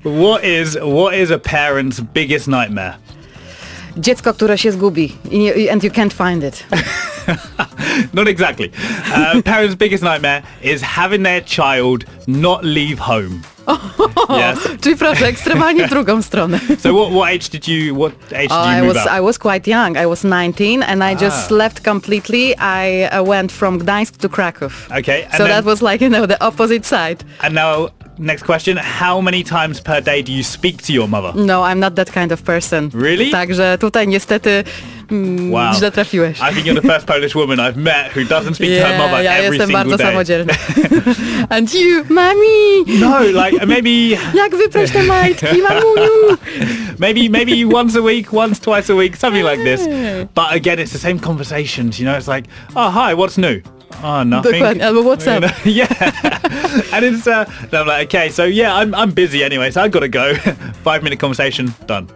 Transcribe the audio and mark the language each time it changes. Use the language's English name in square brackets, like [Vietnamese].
[English] What is a parent's biggest nightmare? [Polish] Dziecko, które się zgubi [English] and you can't find it. Not exactly. Parents' biggest nightmare is having their child not leave home. Yes. [Polish] Czyli proszę, ekstremalnie w drugą stronę. [English] So what age did you move out? I was quite young. I was 19 and I just left completely. I went from Gdańsk to Krakow. Okay. And so then, that was like, you know, the opposite side. And now, next question. How many times per day do you speak to your mother? No, I'm not that kind of person. Really? [Polish] Także tutaj niestety... [English] Wow. [Polish] Źle trafiłeś. [English] I think you're the first Polish woman I've met who doesn't speak to her mother every single day. [Polish] Ja jestem bardzo samodzielna. [English] And you, mami! No, like, maybe... [Polish] Jak wyprać te majtki, mamuniu! [English] Maybe once a week, once, twice a week, something like this. But again, it's the same conversations, you know? It's like, oh, hi, what's new? Oh, nothing. But what's up? Yeah. And it's, and I'm like, okay, so yeah, I'm busy anyway, so I've got to go. 5 minute conversation, done.